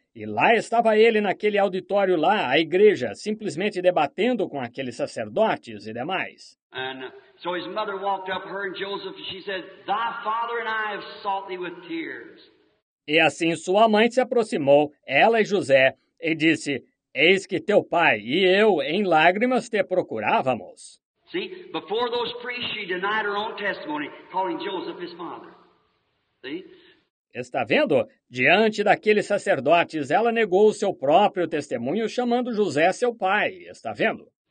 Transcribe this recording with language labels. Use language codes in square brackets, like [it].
[pt] E lá estava ele naquele auditório lá, a igreja, simplesmente debatendo com aqueles sacerdotes e demais. [en] And so his mother walked up, her and Joseph, and she said, "Thy father and I have sought thee with tears." [pt] E assim sua mãe se aproximou, ela e José, e disse, "Eis que teu pai e eu em lágrimas te procurávamos." [en] See, before those priests, she denied her own testimony, calling Joseph his father. See? [pt] Está vendo? Diante daqueles sacerdotes, ela negou o seu próprio testemunho, chamando José seu pai. Está vendo?